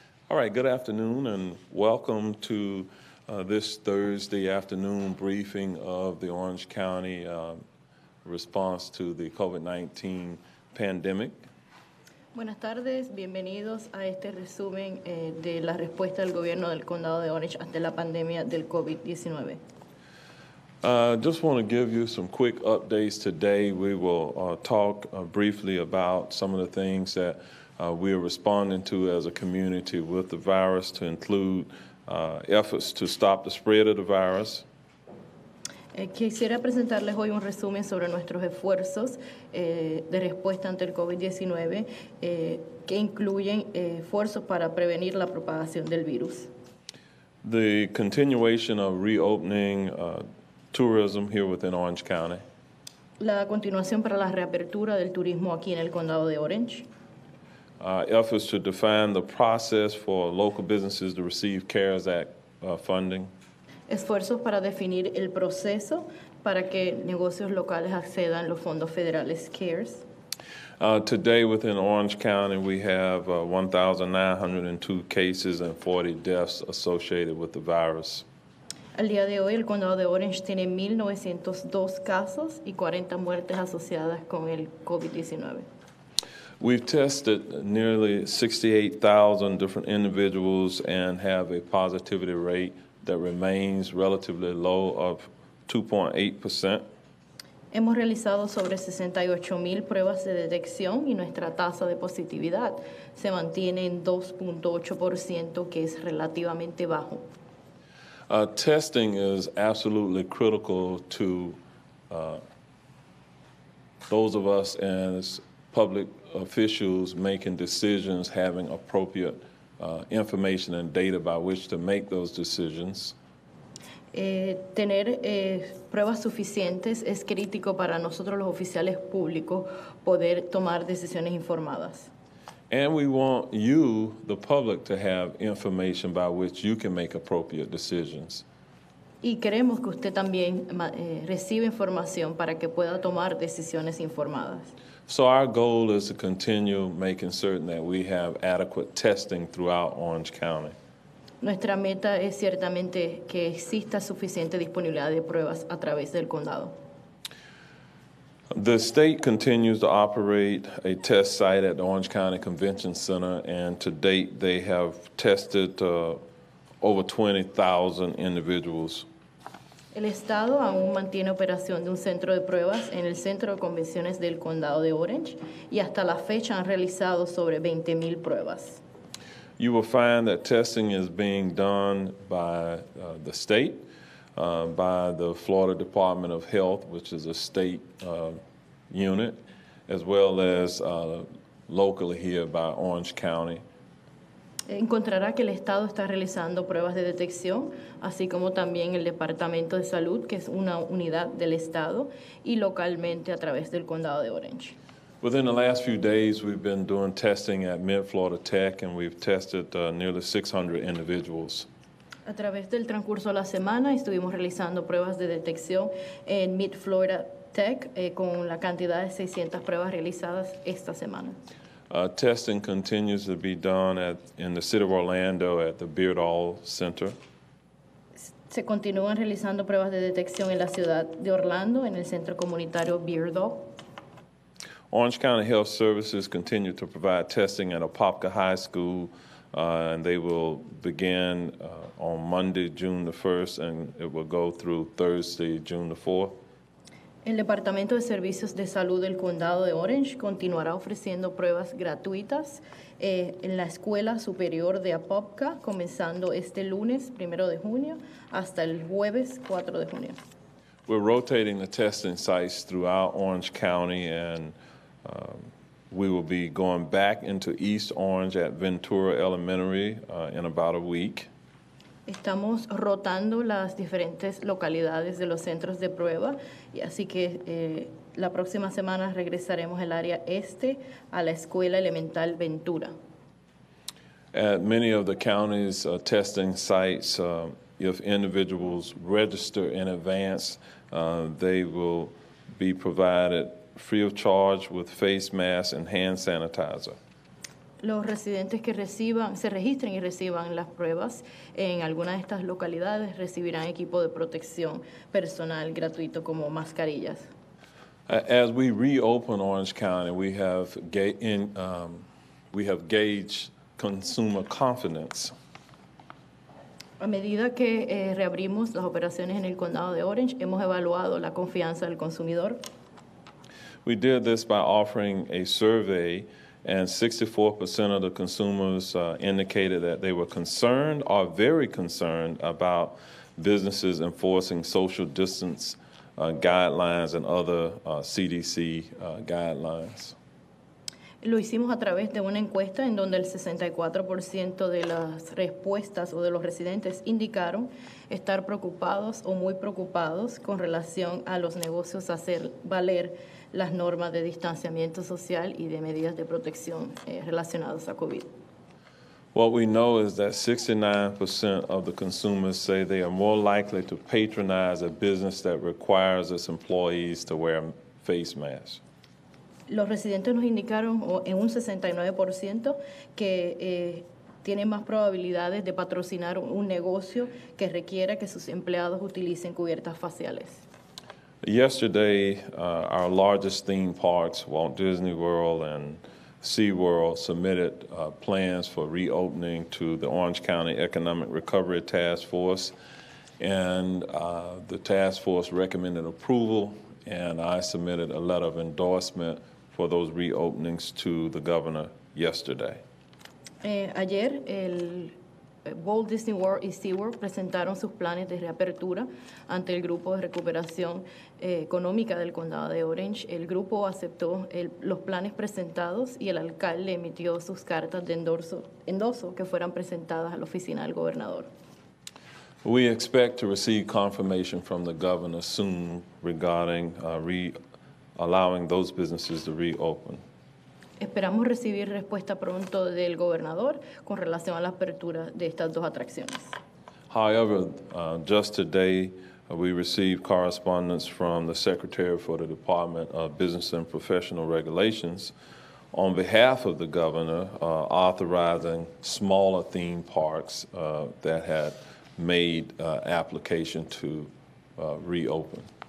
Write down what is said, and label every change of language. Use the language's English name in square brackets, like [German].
[English] All right, good afternoon and welcome to this Thursday afternoon briefing of the Orange County response to the COVID-19 pandemic. [Spanish] Buenas tardes, bienvenidos a este resumen de la respuesta del gobierno del condado de Orange ante la pandemia del COVID-19. [English] Just want to give you some quick updates today. We will talk briefly about some of the things that we are responding to as a community with the virus, to include efforts to stop the spread of the virus. [Spanish] Quisiera presentarles hoy un resumen sobre nuestros esfuerzos de respuesta ante el COVID-19 que incluyen esfuerzos para prevenir la propagación del virus. [English] The continuation of reopening tourism here within Orange County. [Spanish] La continuación para la reapertura del turismo aquí en el condado de Orange. [English] Efforts to define the process for local businesses to receive CARES Act funding. [Spanish] Esfuerzos para definir el proceso para que negocios locales accedan los fondos federales CARES. [English] Today within Orange County we have 1,902 cases and 40 deaths associated with the virus. [Spanish] Al día de hoy el condado de Orange tiene 1,902 casos y 40 muertes asociadas con el COVID-19. [English] We've tested nearly 68,000 different individuals and have a positivity rate that remains relatively low of 2.8%. [Spanish] Hemos realizado sobre 68,000 pruebas de detección y nuestra tasa de positividad se mantiene en 2.8%, que es relativamente bajo. [English] Testing is absolutely critical to those of us as public officials making decisions, having appropriate information and data by which to make those decisions. [Spanish] Tener pruebas suficientes es crítico para nosotros los oficiales públicos poder tomar decisiones informadas. [English] And we want you, the public, to have information by which you can make appropriate decisions. [Spanish] Y queremos que usted también reciba información para que pueda tomar decisiones informadas. [English] So our goal is to continue making certain that we have adequate testing throughout Orange County. [Spanish] Nuestra meta es ciertamente que exista suficiente disponibilidad de pruebas a través del condado. [English] The state continues to operate a test site at the Orange County Convention Center, and to date they have tested over 20,000 individuals. [Spanish] El estado aún mantiene operación de un centro de pruebas en el centro de convenciones del condado de Orange, y hasta la fecha han realizado sobre 20,000 pruebas. [English] You will find that testing is being done by the state, by the Florida Department of Health, which is a state unit, as well as locally here by Orange County. [Spanish] Encontrará que el estado está realizando pruebas de detección, así como también el Departamento de Salud, que es una unidad del estado, y localmente a través del condado de Orange. [English] Within the last few days, we've been doing testing at Mid-Florida Tech, and we've tested nearly 600 individuals. [Spanish] A través del transcurso de la semana, estuvimos realizando pruebas de detección en Mid-Florida Tech, con la cantidad de 600 pruebas realizadas esta semana. [English] Testing continues to be done in the city of Orlando at the Beardall Center. [Spanish] Se continúan realizando pruebas de detección en la ciudad de Orlando, en el centro comunitario Beardall. [English] Orange County Health Services continue to provide testing at Apopka High School, and they will begin on Monday, June the 1st, and it will go through Thursday, June the 4th. [Spanish] El Departamento de Servicios de Salud del Condado de Orange continuará ofreciendo pruebas gratuitas en la Escuela Superior de Apopka, comenzando este lunes, 1 de junio, hasta el jueves, 4 de junio. [English] We're rotating the testing sites throughout Orange County, and we will be going back into East Orange at Ventura Elementary in about a week. [Spanish] Estamos rotando las diferentes localidades de los centros de prueba, y así que la próxima semana regresaremos el área este a la escuela elemental Ventura. [English] At many of the county's testing sites, if individuals register in advance, they will be provided free of charge with face masks and hand sanitizer. [Spanish] los residentes que reciban, se registren y reciban las pruebas en alguna de estas localidades recibirán equipo de protección personal gratuito como mascarillas. [English] As we reopen Orange County, we have gauged consumer confidence. [Spanish] A medida que reabrimos las operaciones en el condado de Orange, hemos evaluado la confianza del consumidor. [English] We did this by offering a survey, and 64% of the consumers indicated that they were concerned or very concerned about businesses enforcing social distance guidelines and other CDC guidelines. [Spanish] Lo hicimos a través de una encuesta en donde el 64% de las respuestas o de los residentes indicaron estar preocupados o muy preocupados con relación a los negocios hacer valer las normas de distanciamiento social y de medidas de protección relacionadas a COVID. [English] What we know is that 69% of the consumers say they are more likely to patronize a business that requires its employees to wear face masks. [Spanish] Los residentes nos indicaron en un 69% que tienen más probabilidades de patrocinar un negocio que requiera que sus empleados utilicen cubiertas faciales. [English] Yesterday, our largest theme parks, Walt Disney World and SeaWorld, submitted plans for reopening to the Orange County Economic Recovery Task Force, and the task force recommended approval, and I submitted a letter of endorsement for those reopenings to the governor yesterday. [Spanish] Ayer, el Walt Disney World y SeaWorld presentaron sus planes de reapertura ante el Grupo de Recuperación Económica del Condado de Orange. El grupo aceptó los planes presentados y el alcalde emitió sus cartas de endoso que fueran presentadas a la oficina del gobernador. [English] We expect to receive confirmation from the governor soon regarding allowing those businesses to reopen. [Spanish] Esperamos recibir respuesta pronto del gobernador con relación a la apertura de estas dos atracciones. [English] However, just today, we received correspondence from the Secretary for the Department of Business and Professional Regulations on behalf of the governor authorizing smaller theme parks that had made application to reopen.